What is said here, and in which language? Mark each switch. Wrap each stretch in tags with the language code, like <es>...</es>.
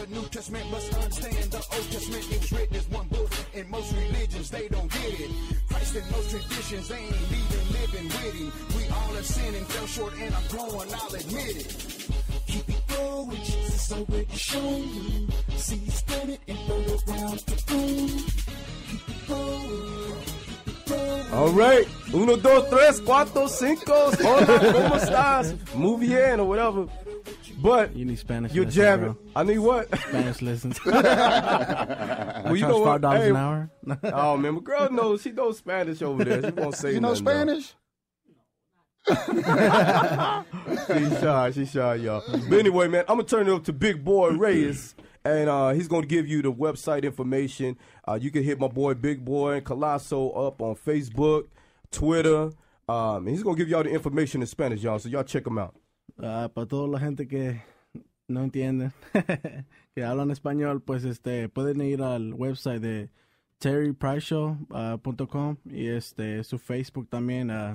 <en>Testament must understand the Old Testament. It's written as one book, and most religions they don't get it. Christ and most traditions they ain't even living with him. We all have sinned and fell short, and I'm growing. I'll admit it. Keep it going, Jesus already shown you. See you spin it and throw your grounds to boom. All right,</en> <es>uno, dos, tres, cuatro, cinco, hola, como estás, muy bien,</es> <en>or whatever. But you need Spanish. You're jabbing. I need what? Spanish lessons. Well, you know what? $5 an hour. Oh man, my girl knows. She knows Spanish over there. She won't say. You know Spanish? She's shy, y'all. But anyway, man, I'm gonna turn it over to Big Boy Reyes. And he's going to give you the website information. You can hit my boy Big Boy and Kolaso up on Facebook, Twitter. And he's going to give you all the information in Spanish, y'all. So y'all check him out.</en> <es>Para toda la gente que no entiende, que hablan español, pues pueden ir al website de terrypriceshow.com y su Facebook también.</es>